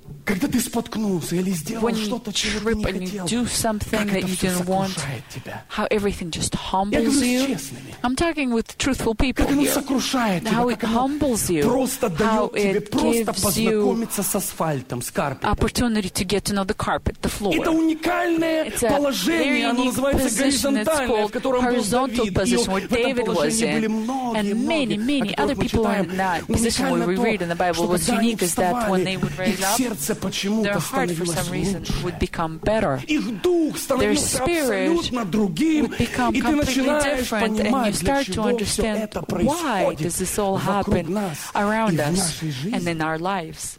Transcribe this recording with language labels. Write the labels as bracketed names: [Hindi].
[Russian] Когда ты споткнулся или сделал что-то, чего ты не хотел, как это все сокрушает тебя. [English] How everything just humbles you. I'm talking with truthful people here. [Russian] Как оно сокрушает тебя. [English] How it humbles you. [Russian] Просто дает тебе просто познакомиться с асфальтом, с карпетом. [English] Opportunity to get to know the carpet, the floor. [Russian] Это уникальное положение, оно называется горизонтальное, в котором был Давид. И в этом положении были многие, о которых мы читаем. Уникально то, что когда они вставали, их сердце почему-то становилось лучше. Их дух становился абсолютно другим, и ты начинаешь понимать, для чего все это происходит вокруг нас и в нашей жизни.